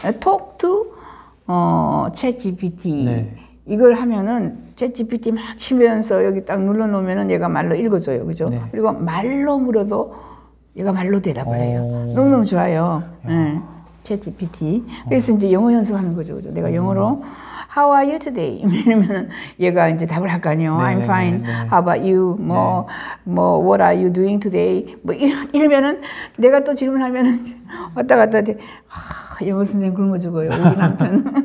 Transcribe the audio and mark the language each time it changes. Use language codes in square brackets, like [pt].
[ko] Talk to ChatGPT 이걸 하면은 ChatGPT 막 치면서 여기 딱 눌러놓으면은 얘가 말로 읽어줘요, 그죠? 그리고 말로 물어도 얘가 말로 대답을 해요. 너무 너무 좋아요. ChatGPT 그래서 이제 영어 연습하는 거죠, 그죠? 내가 영어로 [en] How are you today? [ko] 이러면 얘가 이제 답을 할 거 아니에요. I'm fine. How about you? [en] 뭐, 뭐, what are you doing today? [ko] 뭐, 이러면은 내가 또 질문하면 왔다 갔다 하되, 영어 선생님 굶어 죽어요. 우리 남편.